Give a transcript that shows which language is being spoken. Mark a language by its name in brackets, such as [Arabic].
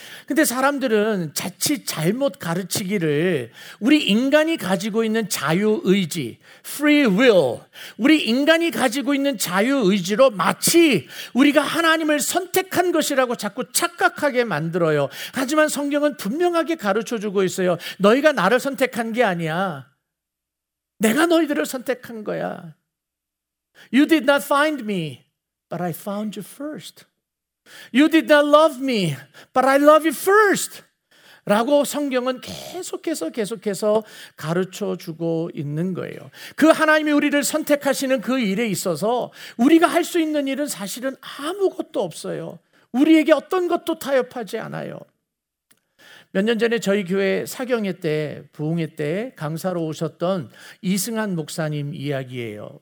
[Korean] 근데 사람들은 자칫 잘못 가르치기를 우리 인간이 가지고 있는 자유의지, free will, 우리 인간이 가지고 있는 자유의지로 마치 우리가 하나님을 선택한 것이라고 자꾸 착각하게 만들어요. 하지만 성경은 분명하게 가르쳐 주고 있어요. 너희가 나를 선택한 게 아니야. 내가 너희들을 선택한 거야. [English] You did not find me, but I found you first. You did not love me, but I love you first. [Korean] 라고 성경은 계속해서 가르쳐 주고 있는 거예요. 그 하나님이 우리를 선택하시는 그 일에 있어서 우리가 할 수 있는 일은 사실은 아무것도 없어요. 우리에게 어떤 것도 타협하지 않아요. 몇 년 전에 저희 교회 사경회 때, 부흥회 때 강사로 오셨던 이승한 목사님 이야기예요.